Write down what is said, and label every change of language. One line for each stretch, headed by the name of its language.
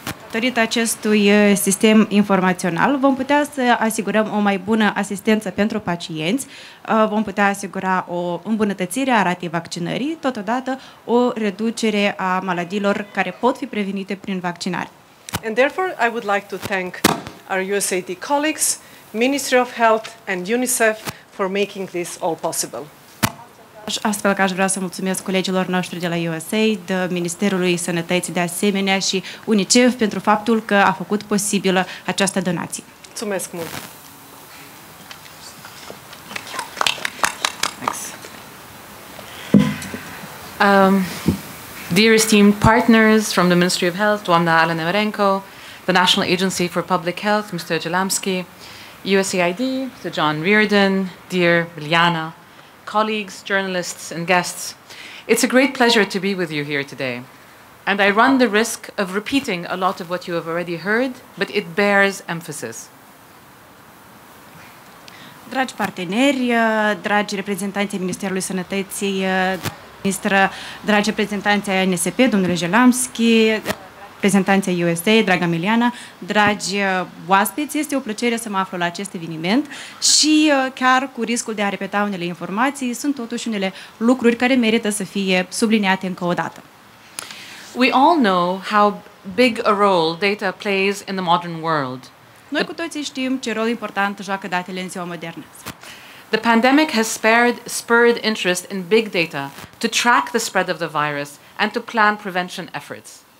Romanian: Datorită acestui sistem informațional, vom putea să asigurăm o mai bună asistență pentru pacienți, vom putea asigura o îmbunătățire a ratei vaccinării, totodată o reducere a maladiilor care pot fi prevenite prin vaccinare.
English: And therefore, I would like to thank our USAID colleagues, Ministry of Health and UNICEF for making this all possible.
Romanian: Astfel că aș vrea să mulțumesc colegilor noștri de la USAID, Ministerului Sănătății de asemenea și UNICEF pentru faptul că a făcut posibilă această donație. Mulțumesc mult!
English: Dear esteemed partners from the Ministry of Health, doamna Alena Marenko, the National Agency for Public Health, Mr. Jelamski, USAID, Mr. John Reardon, dear Liliana, colleagues, journalists, and guests, it's a great pleasure to be with you here today. And I run the risk of repeating a lot of what you have already heard, but it bears emphasis.
Romanian: Dragi parteneri, dragi reprezentanți ai Ministerului Sănătății, ministră, dragi reprezentanți ai ANSP, domnule Jelamski, reprezentanți ai USA, dragă Miliana, dragi oaspeți, este o plăcere să mă aflu la acest eveniment și chiar cu riscul de a repeta unele informații, sunt totuși unele lucruri care merită să fie subliniate încă o dată.
English: We all know how big a role data plays in the modern world.
Romanian: Noi cu toții știm ce rol important joacă datele în ziua modernă.
English: The pandemic has spurred interest in big data to track the spread of the virus and to plan prevention efforts.